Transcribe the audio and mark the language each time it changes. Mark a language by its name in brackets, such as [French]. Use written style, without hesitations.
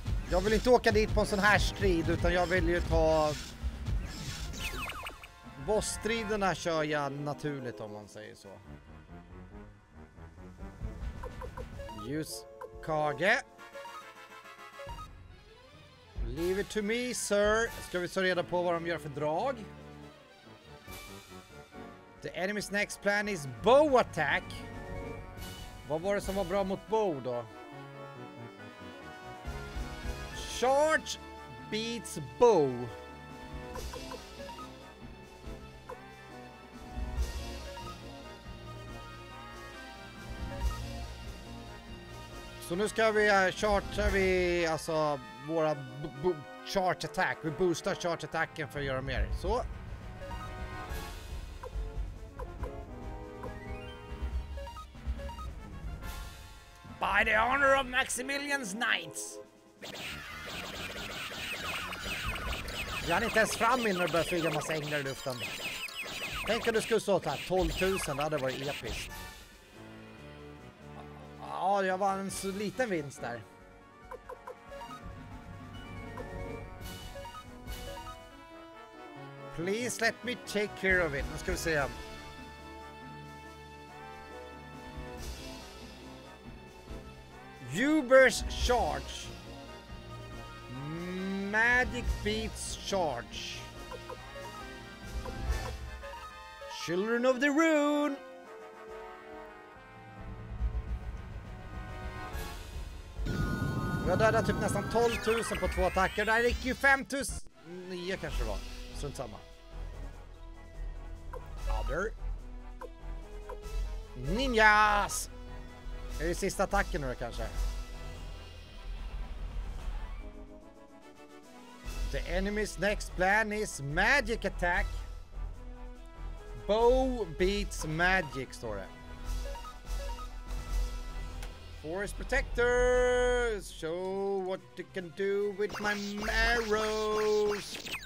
[Swedish] Jag vill inte åka dit på en sån här strid, utan jag vill ju ta bossstriderna kör jag naturligt, om man säger så. [English] Use Kage. Leave it to me, sir. [Swedish] Ska vi så reda på vad de gör för drag? [English] The enemy's next plan is bow attack. [Swedish] Vad var det som var bra mot bow då? [English] Charge beats bow. [Swedish] Så nu ska vi charge, vi alltså våra charge attack. Vi boostar charge attacken för att göra mer. Så. [English] By the honor of Maximilian's knights. [Swedish] Vi hann inte ens fram innan det började flyga en massa änglar i luften. Tänk om du skulle stå här 12 000. Det hade varit episkt. Ja, jag vann en så liten vinst där. [English] Please let me take care of it. [Swedish] Nu ska vi se. [English] Huber's charge. Magic beats charge. Children of the Rune. [Swedish] Vi har dödat typ nästan 12 000 på två attacker. Där gick ju 5 000. 9 kanske det var. Strunt samma. [English] Ninjas! [Swedish] Är det sista attacken nu då, kanske? [English] The enemy's next plan is magic attack. Bow beats magic, [Swedish] står det. [English] Forest Protectors! Show what you can do with my arrows!